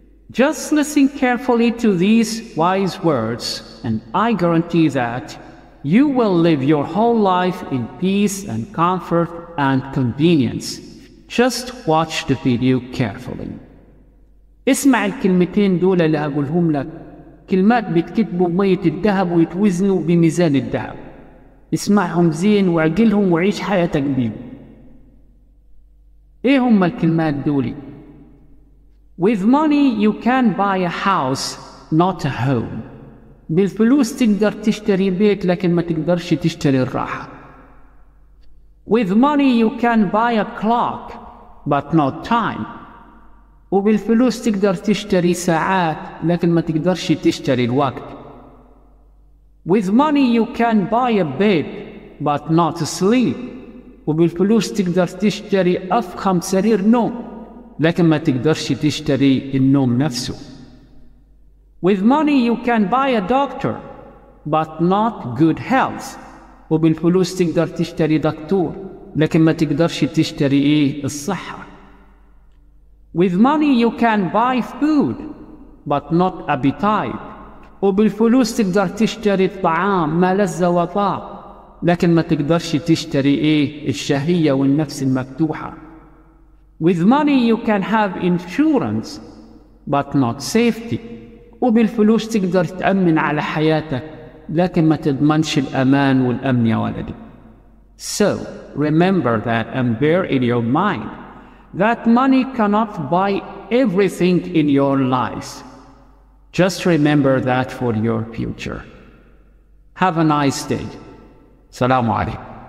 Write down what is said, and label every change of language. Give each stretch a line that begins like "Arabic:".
English: Just listen carefully to these wise words and I guarantee that you will live your whole life in peace and comfort and convenience. Just watch the video carefully.
Arabic: اسمع الكلمتين دول اللي اقولهم لك. كلمات بتكتبوا بمية الذهب ويتوزنوا بميزان الذهب. اسمعهم زين وعقلهم وعيش حياتك بيهم. ايه هم الكلمات دولي؟
English: With money you can buy a house, not a home.
Arabic: بالفلوس تقدر تشتري بيت لكن ما تقدرش تشتري الراحة.
English: With money you can buy a clock, but not time.
Arabic: وبالفلوس تقدر تشتري ساعات لكن ما تقدرش تشتري الوقت.
English: With money you can buy a bed, but not sleep.
Arabic: وبالفلوس تقدر تشتري أفخم سرير نوم لكن ما تقدرش تشتري النوم نفسه.
English: With money you can buy a doctor but not good health.
Arabic: وبالفلوس تقدر تشتري دكتور لكن ما تقدرش تشتري الصحة.
English: With money you can buy food but not appetite.
Arabic: وبالفلوس تقدر تشتري الطعام ما لذ وطاب لكن ما تقدرش تشتري الشهية والنفس المفتوحة.
English: With money you can have insurance but not safety.
Arabic: وبالفلوس تقدر تأمن على حياتك لكن ما تضمنش الأمان والأمن يا ولدي.
English: So remember that and bear in your mind that money cannot buy everything in your life. Just remember that for your future. Have a nice day.
Arabic: سلام عليكم.